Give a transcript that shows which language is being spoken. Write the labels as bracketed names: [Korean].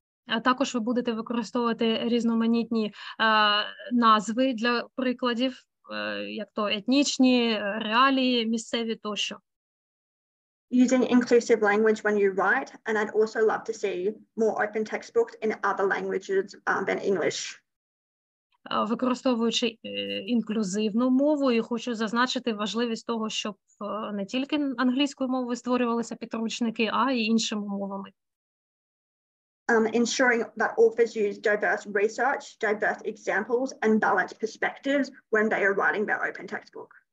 [Ukrainian] А також ви будете використовувати різноманітні назви для прикладів, як то етнічні, реалії, місцеві тощо. [English] Using inclusive language when you write, and I'd also love to see more open textbooks in other languages than English. [Ukrainian] Використовуючи інклюзивну мову, і хочу зазначити важливість того, щоб не тільки англійською мовою створювалися підручники, а й іншими мовами. [English] Ensuring that authors use diverse research, diverse examples, and balanced perspectives when they are writing their open textbook.